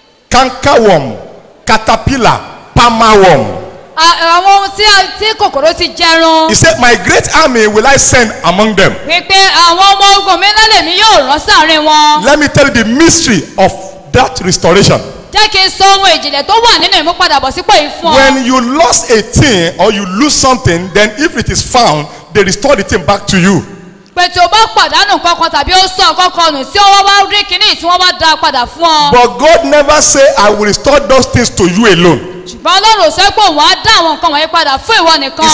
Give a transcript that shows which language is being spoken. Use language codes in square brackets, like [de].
[en] Canker worm, caterpillar, palmer worm. [yo] Àwọn ohun tí kòkòrò ti jẹrun. [en] He said, my great army will I send among them. [yo] Wípé àwọn ọmọ ogun mi lálẹ́ mi yóò rán sáàrin wọn. [en] Let me tell you the mystery of that restoration. [yo] Jẹ́ kí n sọ ohun ìjìnlẹ̀ tó wà nínú ìmúpadàbọ̀sípò yìí fún ọ. [en] When you lost a thing or you lose something, then if it is found, they restore the thing back to you. [yo] Pé tí o bá pàdánù kankan tàbí ó sọ kankan nù tí ọwọ́ wá rí kiní tí wọ́n bá da padà fún ọ. [en] But God never say I will restore those things to you alone. [yo] Ṣùgbọ́n Ọlọ́run sọ pé òun á dá àwọn nǹkan wọ̀nyí padà fún ìwọ nìkan.